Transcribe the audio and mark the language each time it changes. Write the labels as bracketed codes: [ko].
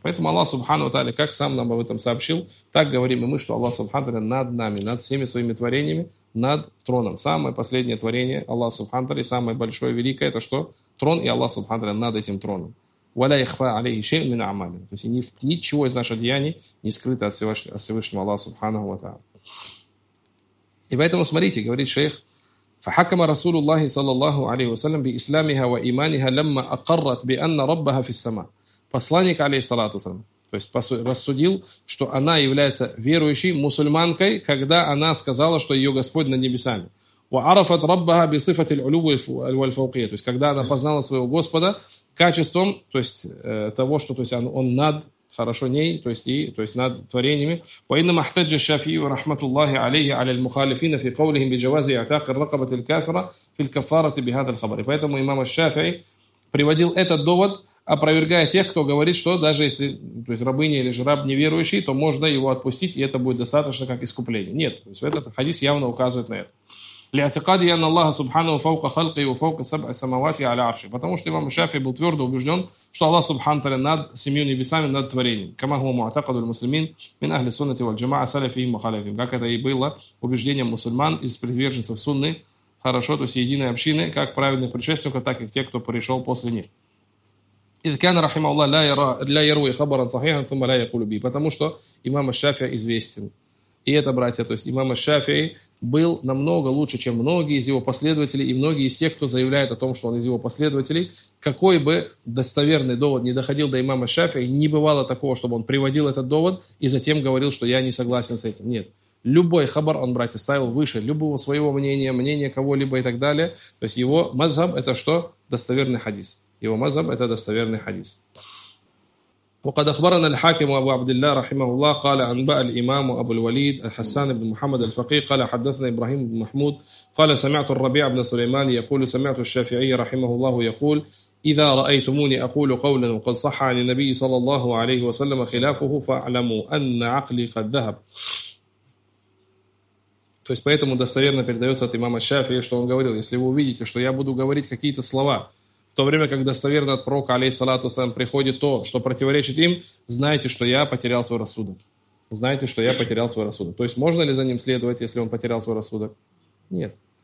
[ru] Поэтому Аллах Субханаху ва Тааля, как сам нам об этом сообщил, так говорим и мы, что Аллах Субханаху ва Тааля над нами, над всеми своими творениями, над троном. Самое последнее творение Аллах Субханаху ва Тааля, самое большое, великое, это что? Трон и Аллах Субханаху ва Тааля над этим троном. [ar] Валя ихфа алейхи шейн мин амали. [ru] То есть ничего из наших деяний не скрыто от Всевышнего Аллаха Субханаху ва Тааля. И поэтому смотрите, говорит шейх, [ar] فحكم رسول الله صلى الله عليه وسلم بإسلامها وإيمانها لما أقرت بأن ربها في السماء. [ru] Посланник, алейхиссалату ассалам, то есть рассудил, что она является верующей мусульманкой, когда она сказала, что ее Господь над небесами. [ar] وَعَرَفَتْ رَبَّهَا بِصِفَةِ الْعُلُوِ وَالْفَوْقِيَةِ. [ru] То есть, когда она познала своего Господа качеством, то есть, того, что то есть, он над хорошо ней, то есть, над творениями. [ar] وَإِنَّمَا احْتَجَّ الشَّافِعِيُّ رَحْمَةُ اللَّهِ عَلَيْهِ عَلَى الْمُخَالِفِينَ فِي قَوْلِهِمْ بِجَوَازِ اعْتِقَاقِ الرَّقَبَةِ الْكَافِرَةِ فِي الْكَفَّارَةِ بِهَذَا الْخَبَرِ. [ru] Поэтому имам аш-Шафии приводил этот довод, опровергая тех, кто говорит, что даже если то есть рабыня или же раб неверующий, то можно его отпустить, и это будет достаточно как искупление. Нет, то есть этот хадис явно указывает на это. [ar] لِاعْتِقَادِ يَنَّ اللَّهَ سُبْحَانَهُ فَوْقَ خَلْقِهِ وَفَوْقَ سَبْعِ سَمَوَاتِهِ عَلَى عَرْشِ. [ru] Потому что имам Шафии был твердо убежден, что Аллах Субхану Тааля над семью небесами, над творением. [ar] كَمَا هُوَ مُعْتَقَدُ الْمُسْلِمِينَ مِنْ أَهْلِ سُنَّةِ وَالْجَمَاعَةِ سَلَفِيهِمْ مُخَالِفِينَ. [ru] Как это и было убеждением мусульман из приверженцев сунны, хорошо, то есть единой общины, как праведных предшественников, так и тех, кто пришел после них. [ar] إذ كان رحمه الله لا يروي خبرا صحيحا ثم لا يقول به. [ru] Потому что имам аш-Шафии известен. И это, братья, то есть имам аш-Шафии был намного лучше, чем многие из его последователей и многие из тех, кто заявляет о том, что он из его последователей. Какой бы достоверный довод не доходил до имама аш-Шафии, не бывало такого, чтобы он приводил этот довод и затем говорил, что я не согласен с этим. Нет. Любой хабар он, братья, ставил выше любого своего мнения, мнения кого-либо и так далее. То есть его мазхаб это что? Достоверный хадис. Его мазхаб это достоверный хадис. [ar] وقد أخبرنا الحاكم أبو عبد الله رحمه الله قال أنبأ الإمام أبو الوليد الحسان بن محمد الفقيه قال حدثنا إبراهيم بن محمود قال سمعت الربيع بن سليمان يقول سمعت الشافعي رحمه الله يقول إذا رأيتموني أقول قولا وقد صح عن النبي صلى الله عليه وسلم خلافه فاعلموا أن عقلي قد ذهب. [ru] То есть поэтому достоверно передается от имама Шафии, что он говорил, если вы увидите, что я буду говорить какие-то слова, в то время, когда достоверно от пророка, алейхиссалату ассалям, приходит то, что противоречит им, знаете, что я потерял свой рассудок. Знаете, что я потерял свой рассудок. То есть можно ли за ним следовать, если он потерял свой рассудок? Нет.